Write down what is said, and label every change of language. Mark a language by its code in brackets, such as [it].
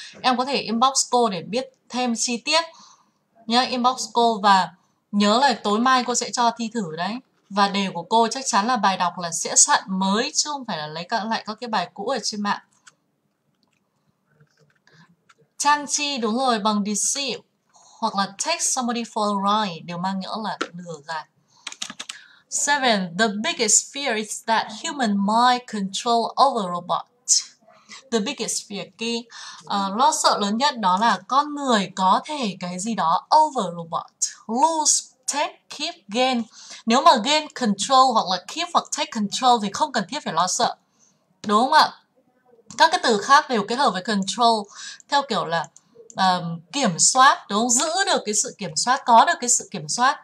[vi] Em có thể inbox cô để biết thêm chi tiết. Nhớ inbox cô và nhớ là tối mai cô sẽ cho thi thử đấy. Và đề của cô chắc chắn là bài đọc là sẽ soạn mới chứ không phải là lấy lại các cái bài cũ ở trên mạng. Trang chi đúng rồi, bằng deceive hoặc là [en] take somebody for a ride [vi] đều mang nghĩa là lừa gạt. [en] Seven, the biggest fear is that human mind control over robot. The biggest fear, [vi] lo sợ lớn nhất đó là con người có thể cái gì đó over robot. [en] Lose, take, keep, gain. [vi] Nếu mà gain control hoặc là keep hoặc take control thì không cần thiết phải lo sợ. Đúng không ạ? Các cái từ khác đều kết hợp với control theo kiểu là kiểm soát, đúng không? Giữ được cái sự kiểm soát, có được cái sự kiểm soát.